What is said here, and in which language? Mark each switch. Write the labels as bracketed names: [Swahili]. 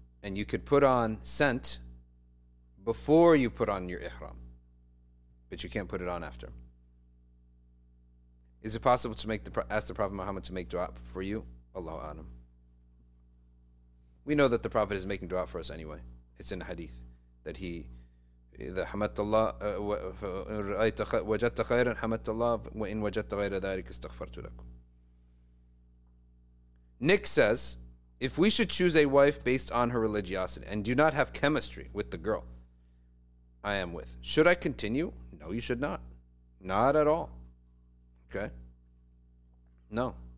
[English] And you could put on scent before you put on your ihram. But you can't put it on after. Is it possible to ask the Prophet Muhammad to make dua for you? Allahu a'lam. We know that the Prophet is making dua for us anyway. It's in the hadith that he... [Arabic] إذا حمدت الله وإن رأيت وجدت خيرا حمدت الله وإن وجدت غير ذلك استغفرت لك. [English] Nick says, if we should choose a wife based on her religiosity and do not have chemistry with the girl I am with, should I continue? No, you should not. Not at all. Okay? No.